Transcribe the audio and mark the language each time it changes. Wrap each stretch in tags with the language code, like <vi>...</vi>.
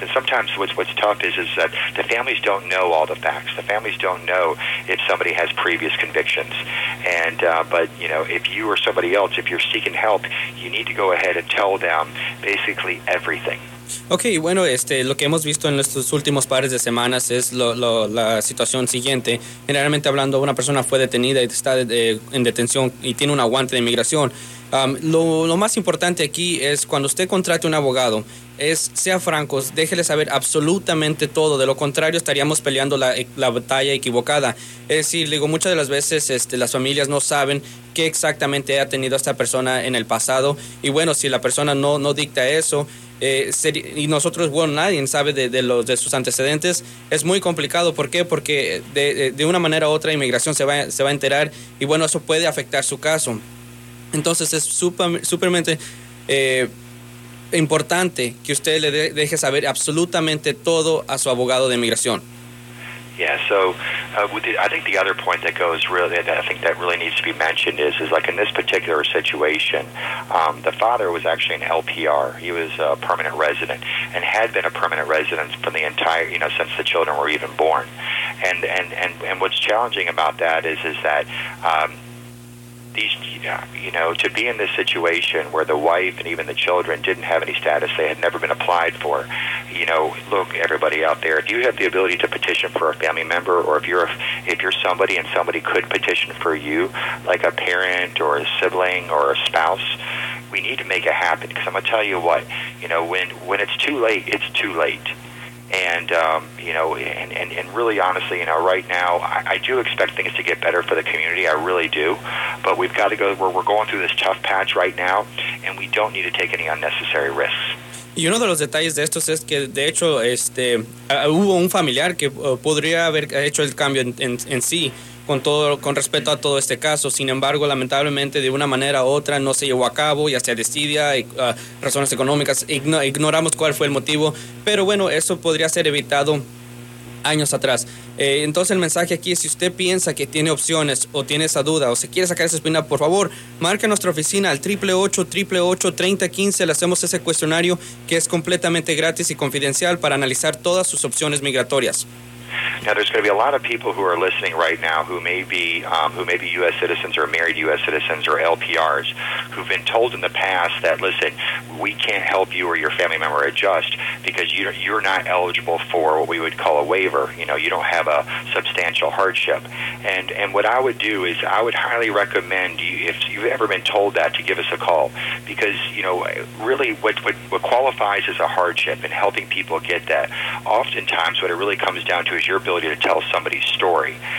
<en>And sometimes what's tough is that the families don't know all the facts. The families don't know if somebody has previous convictions. But if you or somebody else, if you're seeking help, you need to go ahead and tell them basically everything.</en> <es>Okay, bueno, lo que hemos visto en estos últimos pares de semanas es la situación siguiente. Generalmente hablando, una persona fue detenida y está en detención y tiene un aguante de inmigración. Lo más importante aquí es cuando usted contrate un abogado, sea franco, déjele saber absolutamente todo. De lo contrario, estaríamos peleando la batalla equivocada. Es decir, digo, muchas de las veces las familias no saben qué exactamente ha tenido esta persona en el pasado. Y bueno, si la persona no dicta eso, y nosotros, bueno, nadie sabe de sus antecedentes, es muy complicado. ¿Por qué? Porque de una manera u otra inmigración se va a enterar y bueno, eso puede afectar su caso. Entonces es supermente importante que usted le deje saber absolutamente todo a su abogado de inmigración.</es> <en>Yeah, so I think the other point that goes really, that I think that really needs to be mentioned is like in this particular situation, the father was actually an LPR. He was a permanent resident and had been a permanent resident from the entire, since the children were even born. And what's challenging about that is that to be in this situation where the wife and even the children didn't have any status, they had never been applied for, look, everybody out there, if you have the ability to petition for a family member, or if you're somebody and somebody could petition for you, like a parent or a sibling or a spouse, we need to make it happen. Because I'm going to tell you what, when it's too late, it's too late. And, you know, and really honestly, you know, right now, I do expect things to get better for the community. I really do. But we've got to go where we're going through this tough patch right now, and we don't need to take any unnecessary risks.</en> <es>Y uno de los detalles de estos es que, de hecho, hubo un familiar que podría haber hecho el cambio en sí con todo, con respecto a todo este caso. Sin embargo, lamentablemente, de una manera u otra, no se llevó a cabo, ya sea desidia, razones económicas, ignoramos cuál fue el motivo. Pero bueno, eso podría ser evitado años atrás. Entonces, el mensaje aquí es, si usted piensa que tiene opciones o tiene esa duda o se quiere sacar esa espina, por favor, marque a nuestra oficina al 888-888-3015. Le hacemos ese cuestionario que es completamente gratis y confidencial para analizar todas sus opciones migratorias.</es> <en>Now, there's going to be a lot of people who are listening right now who may be U.S. citizens or married U.S. citizens or LPRs who've been told in the past that, listen, we can't help you or your family member adjust because you're not eligible for what we would call a waiver. You know, you don't have a substantial hardship. And what I would do is I would highly recommend, you, if you've ever been told that, to give us a call because, you know, really what qualifies as a hardship and helping people get that, oftentimes what it really comes down to is your ability to tell somebody's story.</en>